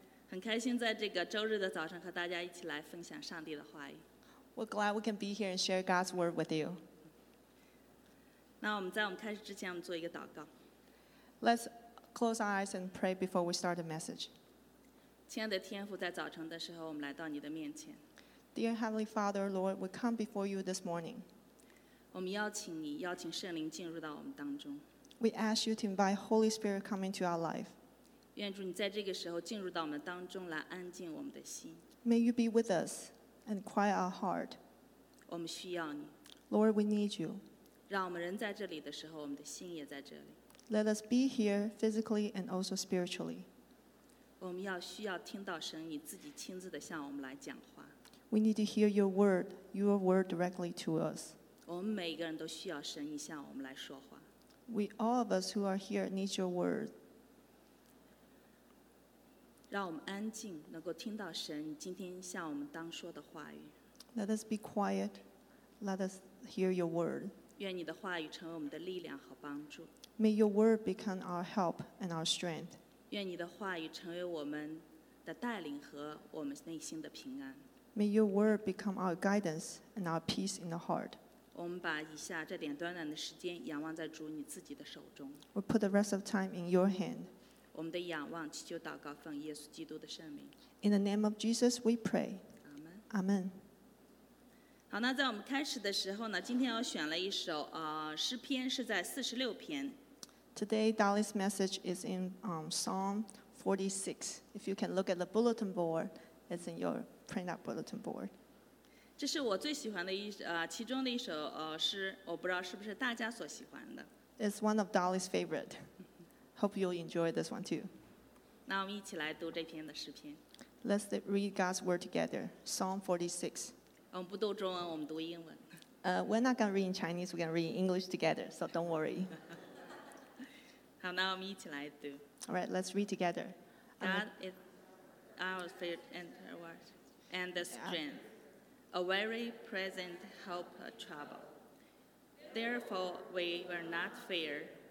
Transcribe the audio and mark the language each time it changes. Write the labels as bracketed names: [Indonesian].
[Chinese] 很开心在这个周日的早上和大家一起来分享上帝的话语。 [English] We're glad we can be here and share God's word with you. [Chinese] 那我们在我们开始之前，我们做一个祷告。 [English] Let's close our eyes and pray before we start the message. [Chinese] 亲爱的天父，在早晨的时候，我们来到你的面前。 [English] Dear Heavenly Father, Lord, we come before you this morning. [Chinese] 我们邀请你，邀请圣灵进入到我们当中。 [English] We ask you to invite Holy Spirit come into our life. [Chinese] 愿主你在这个时候进入到我们当中来安静我们的心。 [English] May you be with us and quiet our heart. [Chinese] 我们需要你。 [English] Lord, we need you. [Chinese] 让我们人在这里的时候，我们的心也在这里。 [English] Let us be here physically and also spiritually. [Chinese] 我们要需要听到神你自己亲自的向我们来讲话。 [English] We need to hear your word directly to us. [Chinese] 我们每个人都需要神你向我们来说话。 [English] We all of us who are here need your word. [Chinese] 让我们安静，能够听到神今天向我们当说的话语。 [English] Let us be quiet. Let us hear your word. [Chinese] 愿你的话语成为我们的力量和帮助。 [English] May your word become our help and our strength. [Chinese] 愿你的话语成为我们的带领和我们内心的平安。 [English] May your word become our guidance and our peace in the heart. [Chinese] 我们把以下这点短短的时间仰望在主你自己的手中。 [English] We put the rest of time in your hand. [Chinese] 我们的仰望祈求祷告奉耶稣基督的圣名。 [English] In the name of Jesus, we pray. Amen. Amen. [Chinese] 好，那在我们开始的时候呢，今天我选了一首诗篇，是在46篇。 [English] Today, Dolly's message is in Psalm 46. If you can look at the bulletin board, it's in your printout bulletin board. [Chinese] 这是我最喜欢的其中的一首诗，我不知道是不是大家所喜欢的。 [English] It's one of Dolly's favorite. Hope you'll enjoy this one too. [Chinese] 那我们一起来读这篇的诗篇。 [English] Let's read God's word together, Psalm 46. [Chinese] 我们不读中文，我们读英文。 [English] We're not going to read in Chinese, we're going to read in English together, so don't worry. [Chinese] 好，那我们一起来读。 [English] All right, let's read together. God is our faith and our word and the strength. Yeah. A very present help of trouble. Therefore, we will not fear.